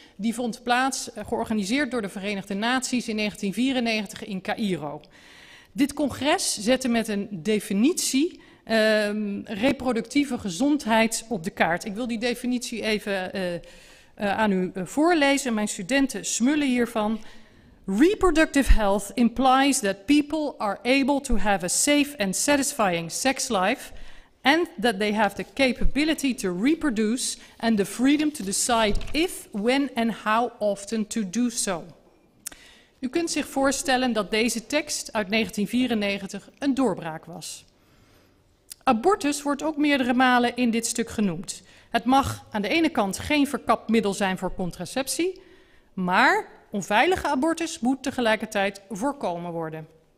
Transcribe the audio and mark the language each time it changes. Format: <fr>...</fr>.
<nl>Die vond plaats, georganiseerd door de Verenigde Naties in 1994 in Cairo. Dit congres zette met een definitie reproductieve gezondheid op de kaart. Ik wil die definitie even aan u voorlezen. Mijn studenten smullen hiervan.</nl> <en>Reproductive health implies that people are able to have a safe and satisfying sex life and that they have the capability to reproduce and the freedom to decide if, when and how often to do so.</en> <nl>U kunt zich voorstellen dat deze tekst uit 1994 een doorbraak was. Abortus wordt ook meerdere malen in dit stuk genoemd. Het mag aan de ene kant geen verkapt middel zijn voor contraceptie, maar onveilige abortus moet tegelijkertijd voorkomen worden.</nl>